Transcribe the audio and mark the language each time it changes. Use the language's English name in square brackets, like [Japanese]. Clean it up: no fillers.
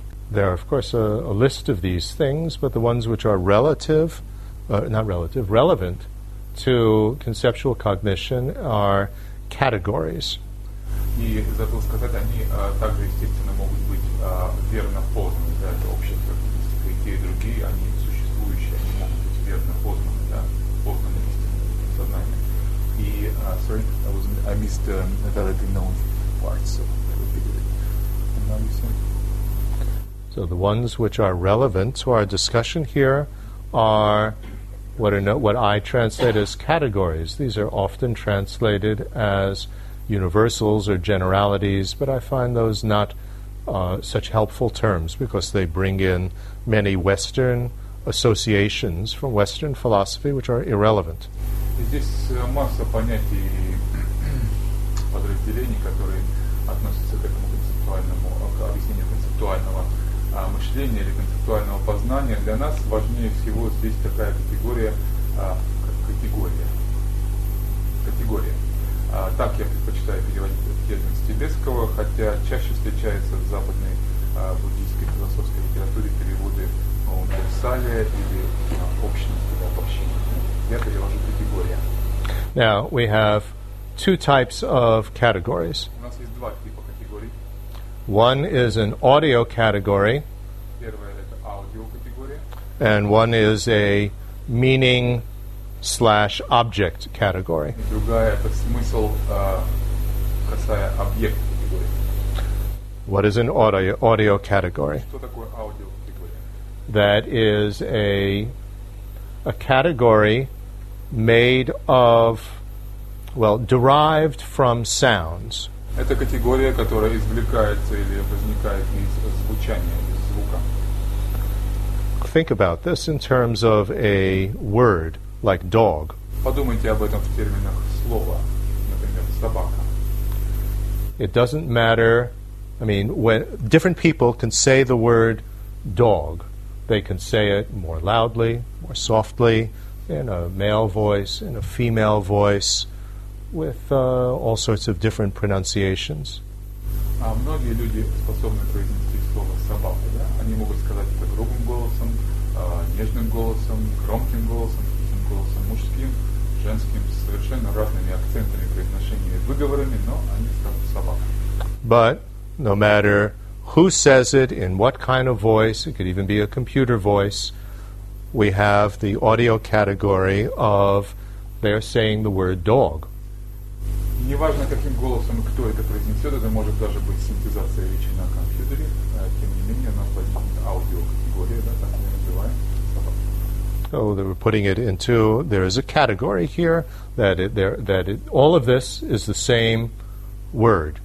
[English] There are, of course, a list of these things, but the ones which are relevant to conceptual cognition are categories. [Russian] И забыл сказать, они также, естественно, могут быть верно познаны, да, это общая характеристика, и те, и другие, они существующие, они могут быть верно познаны, да, познаны истинными сознанием. [English] И, sorry, I missed the validly known parts, so I repeated it. And now you say? So the ones which are relevant to our discussion here are what I translate as categories. These are often translated as universals or generalities, but I find those not such helpful terms because they bring in many Western associations from Western philosophy which are irrelevant. [Russian] Здесь масса понятий подразделений, которые относятся к этому концептуальному, к объяснению концептуального мышления или концептуального познания. Для нас важнее всего здесь такая категория, категория. Так я предпочитаю переводить этот термин с тибетского, хотя чаще встречается в западной буддийской философской литературе переводы универсалия или общности, да, общения. Я перевожу категория. [English] Now, we have two types of categories. [Russian] У нас есть два типа категорий. [English] One is an audio category. [Russian] Первая – это аудио категория. [English] And one is a meaning slash object category. [Russian] Другая – это смысл, касая объект категории. [English] What is an audio category? [Russian] Что такое аудио категория? [English] That is a category made of, well, derived from sounds. [Russian] Это категория, которая извлекается или возникает из звучания, из звука. [English] Think about this in terms of a word like dog. [Russian] Подумайте об этом в терминах слова, например, собака. [English] It doesn't matter. I mean, when different people can say the word dog, they can say it more loudly, more softly, in a male voice, in a female voice, with all sorts of different pronunciations. [Russian] Многие люди способны произнести слово собака, да? Они могут сказать это грубым голосом, нежным голосом, громким голосом, тихим голосом, мужским, женским, совершенно разными акцентами, произношениями, выговорами, но они скажут собака. [English] But no matter who says it, in what kind of voice, it could even be a computer voice, we have the audio category of they are saying the word dog. [Russian] Неважно, каким голосом и кто это произнесет, это может даже быть синтезация речи на компьютере. Тем не менее, у нас возникнет аудиокатегория, да, так мы называем. [English] So they were putting it into, there is a category here, all of this is the same word.